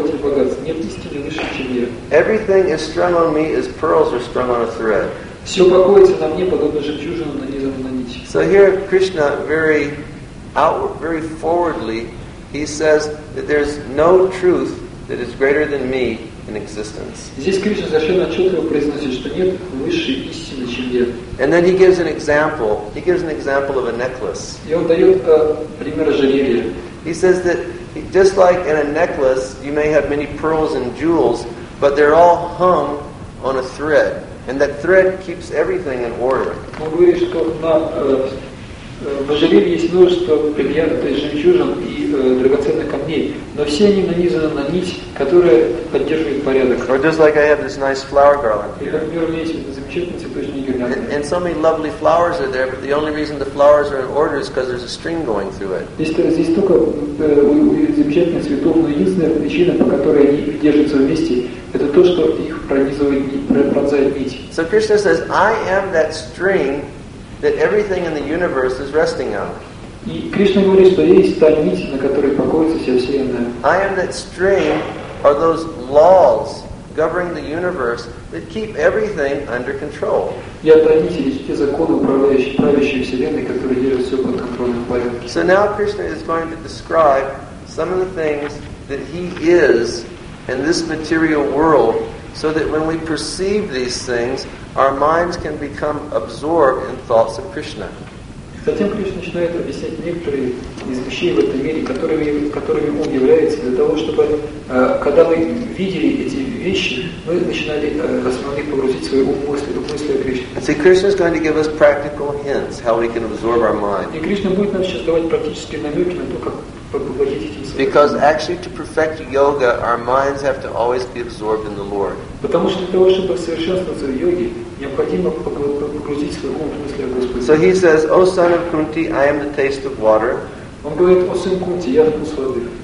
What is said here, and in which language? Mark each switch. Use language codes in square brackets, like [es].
[en] Everything is strung on me as pearls are strung on a thread. So here Krishna very forwardly, he says that there's no truth that is greater than me in existence. [ru] Здесь Кришна совершенно отчетливо произносит, что нет высшей истины, чем я. [en] And then he gives an example. He gives an example of a necklace. [ru] И он дает пример ожерелья. [en] He says that just like in a necklace, you may have many pearls and jewels, but they're all hung on a thread, and that thread keeps everything in order. [ru] Он говорит, что в ожерелье есть множество бриллиантов, жемчужин и драгоценных камней, но все они нанизаны на нить, которая поддерживает порядок. [en] Or just like I have this nice flower garland. [ru] И, например, у меня есть замечательный цветочный гирлянд. [en] And so many lovely flowers are there, but the only reason the flowers are in order is because there's a string going through it. [ru] Здесь только замечательные цветов, но единственная причина, по которой они держатся вместе, это то, что их пронизывает нить. [en] So Krishna says, I am that string that everything in the universe is resting on. [ru] И Кришна говорит, что есть та нить, на которой покоится вся вселенная. [en] I am that string, are those laws governing the universe that keep everything under control. [ru] Я та нить, есть те законы, управляющие вселенной, которые держат все под контролем в порядке. [en] So now Krishna is going to describe some of the things that he is in this material world, so that when we perceive these things, our minds can become absorbed in thoughts of Krishna. [ru] Затем Кришна начинает объяснять некоторые из вещей в этом мире, которыми ум является, для того, чтобы, когда мы видели эти вещи, мы начинали основные погрузить свои ум мысли о Кришне. [en] See, Krishna is going to give us practical hints how we can absorb our mind. [ru] И Кришна будет нам сейчас давать практические намеки на то, как поглотить эти мысли. [en] Because actually to perfect yoga, our minds have to always be absorbed in the Lord. [ru] Потому что для того, чтобы совершенствоваться в йоге, необходимо погрузить свой ум в мысли о Господе. [en] So he says, O son of Kunti, I am the taste of water. [ru] Он говорит, о сын Кунти, я вкус воды.